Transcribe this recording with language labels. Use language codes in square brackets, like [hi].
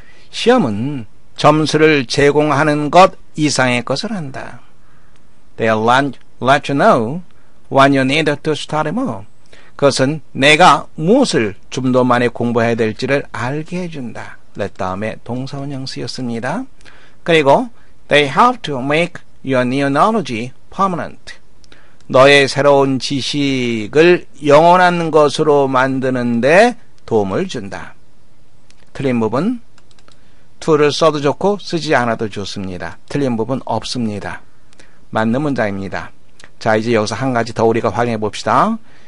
[ko] 시험은 점수를 제공하는 것 이상의 것을 한다. [en] They'll let you know when you need to study more. [ko] 그것은 내가 무엇을 좀 더 많이 공부해야 될지를 알게 해준다. let 다음에 동사원형 쓰였습니다. 그리고 [en] they help to make your new knowledge permanent. [ko] 너의 새로운 지식을 영원한 것으로 만드는데 도움을 준다. 틀린 부분, 2를 써도 좋고 쓰지 않아도 좋습니다. 틀린 부분 없습니다. 맞는 문장입니다. 자, 이제 여기서 한 가지 더 우리가 확인해 봅시다.